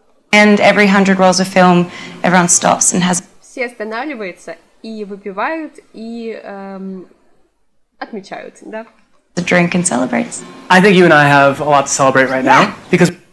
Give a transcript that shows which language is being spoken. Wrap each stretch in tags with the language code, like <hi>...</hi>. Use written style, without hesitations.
<en>And every 100 rolls of film, everyone stops and has.</en> <ru>Все останавливаются и выпивают и отмечают, да?</ru> <en>The drink and celebrates. I think you and I have a lot to celebrate right now because.</en>